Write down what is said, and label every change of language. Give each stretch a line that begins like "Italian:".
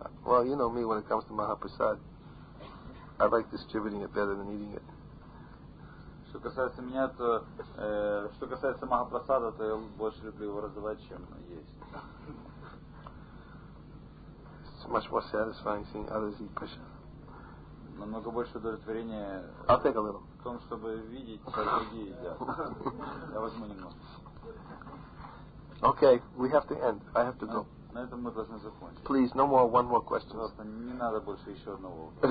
English: Well, you know me when it comes to Mahaprasad. I like distributing it better than eating it.
Russian: Что касается меня, то что касается Махапрасада, то я больше люблю его раздавать, чем есть.
English: It's much more satisfying seeing others eat prasad.
Russian: Намного больше удовлетворения в том, чтобы видеть, как другие едят. Я возьму немного.
English: Okay, we have to end. I have to go.
Russian: На этом мы должны закончить.
English: Please, no more, one more question.
Russian: Пожалуйста, не надо больше еще одного.